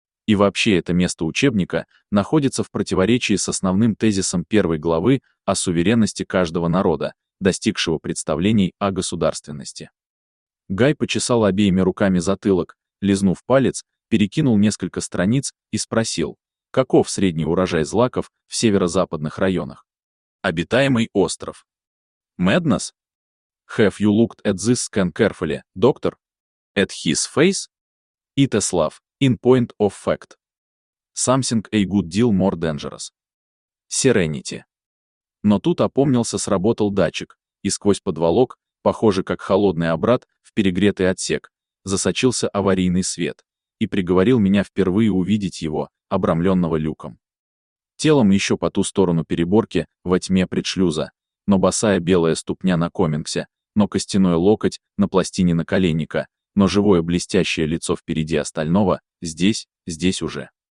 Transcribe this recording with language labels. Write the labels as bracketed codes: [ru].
[ru] И вообще это место учебника находится в противоречии с основным тезисом первой главы о суверенности каждого народа, достигшего представлений о государственности. Гай почесал обеими руками затылок, лизнув палец, перекинул несколько страниц и спросил, каков средний урожай злаков в северо-западных районах? Обитаемый остров. Madness? [en] Have you looked at this scan carefully, doctor? At his face? Iteslav, in point of fact. Something a good deal more dangerous. Serenity. [ru] Но тут опомнился, сработал датчик, и сквозь подволок, похоже как холодный обрат, в перегретый отсек, засочился аварийный свет, и приговорил меня впервые увидеть его, обрамленного люком. Телом еще по ту сторону переборки, во тьме предшлюза, но босая белая ступня на комингсе, но костяной локоть на пластине наколенника, но живое блестящее лицо впереди остального, здесь уже.